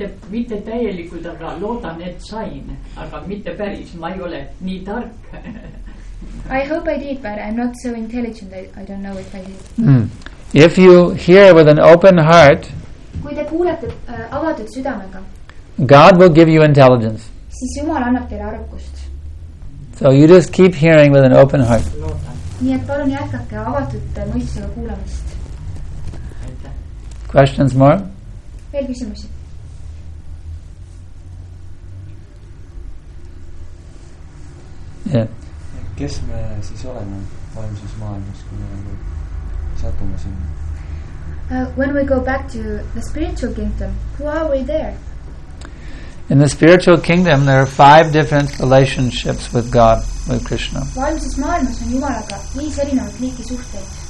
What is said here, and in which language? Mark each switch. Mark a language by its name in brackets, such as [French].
[Estonian] Mitte täielikult, aga loodan, et sain. Aga mitte päris, ma ei ole nii tark. [English] I hope I did, but I'm not so intelligent. I don't know if I did. If you hear with an open heart, [Estonian] kui te kuulete, avatud südamega, [English] God will give you intelligence. [Estonian] Siis Jumal annab teile arukust. [English] So you just keep hearing with an open heart. [Estonian] Nii et palun jätkake avatud mõistusega kuulamist. [English] Questions more? [Estonian] Kes me siis oleme vaimses maailmas, kui me satume sinna? [English] When we go back to the spiritual kingdom, who are we there? In the spiritual kingdom, there are 5 different relationships with God, with Krishna. [Estonian] Vaimses maailmas on Jumalaga viis erinevad liiki suhteid.